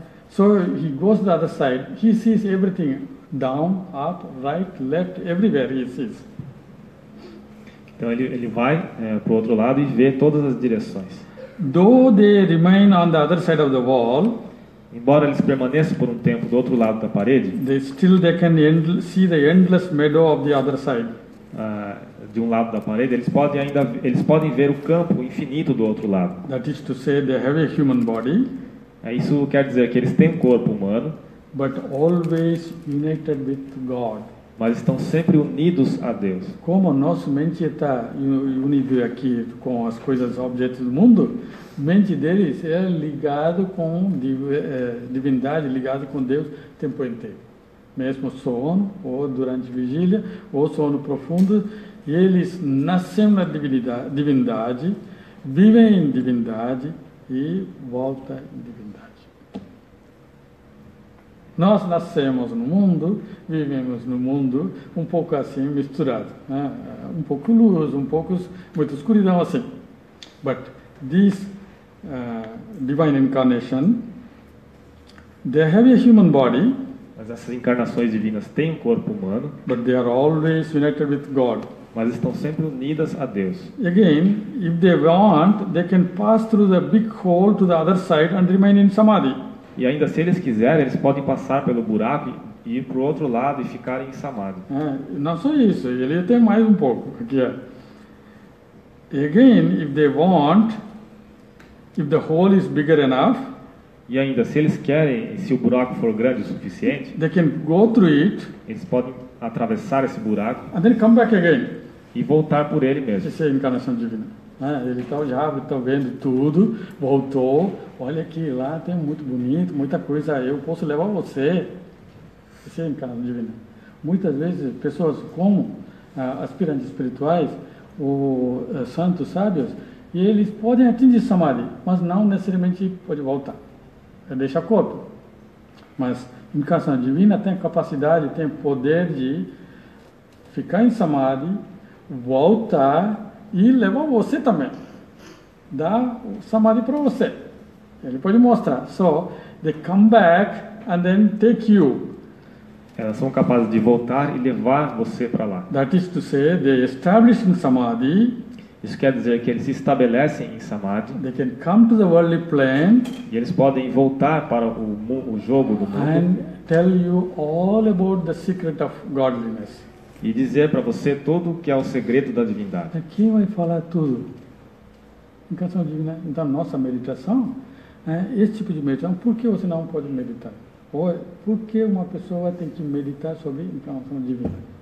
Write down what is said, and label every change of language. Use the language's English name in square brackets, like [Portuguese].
[English] So, he goes to the other side. He sees everything. Down, up, right, left, everywhere he sees. [Portuguese] Então, ele vai para o outro lado e vê todas as direções. [English] Though they remain on the other side of the wall, [Portuguese] embora eles permaneçam por um tempo do outro lado da parede, [English] they can see the endless meadow of the other side. [Portuguese] De um lado da parede, eles podem ver o campo infinito do outro lado. [English] That is to say, they have a human body. [Portuguese] Isso quer dizer que eles têm um corpo humano, [English] but always united with God. [Portuguese] Mas estão sempre unidos a Deus. Como a nossa mente está unida aqui com as coisas, objetos do mundo, a mente deles é ligada com divindade, ligada com Deus o tempo inteiro. Mesmo sono, ou durante vigília, ou sono profundo, eles nascem na divindade, vivem em divindade e voltam em divindade. Nós nascemos no mundo, vivemos no mundo um pouco assim, misturado. Um pouco luz, um pouco muita escuridão assim. [English] But this divine incarnation, they have a human body. [Portuguese] Mas essas encarnações divinas têm um corpo humano. [English] But they are always united with God. [Portuguese] mas estão sempre unidas a Deus. [English] Again, if they want, they can pass through the big hole to the other side and remain in samadhi. [Portuguese] E ainda se eles quiserem, eles podem passar pelo buraco e ir para o outro lado e ficar em samadhi. É, não só isso, ele tem mais um pouco aqui. [English] Again, if they want, if the hole is bigger enough, [Portuguese] e ainda se eles querem, se o buraco for grande o suficiente, [English] they can go through it, [Portuguese] eles podem atravessar esse buraco [English] and then come back again, [Portuguese] e voltar por ele mesmo. Essa é a encarnação divina. É, ele está já tá vendo tudo, voltou, olha aqui, lá tem muito bonito, muita coisa, eu posso levar você. Essa é a encarnação divina. Muitas vezes, pessoas como aspirantes espirituais, santos, sábios, e eles podem atingir samadhi, mas não necessariamente pode voltar. É deixar corpo. Mas a encarnação divina tem capacidade, tem poder de ficar em samadhi, voltar e levar você também. Dar o samadhi para você. Ele pode mostrar. [English] So, they come back and then take you. [Portuguese] Elas são capazes de voltar e levar você para lá. [English] That is to say, they establish in samadhi. [Portuguese] Isso quer dizer que eles se estabelecem em samadhi. [English] They can come to the worldly plane. [Portuguese] E eles podem voltar para o jogo do mundo. [English] And tell you all about the secret of godliness. [Portuguese] E dizer para você tudo o que é o segredo da divindade. Aqui vai falar tudo. Encarnação divina. Então, nossa meditação, esse tipo de meditação, por que você não pode meditar? Ou por que uma pessoa tem que meditar sobre encarnação divina?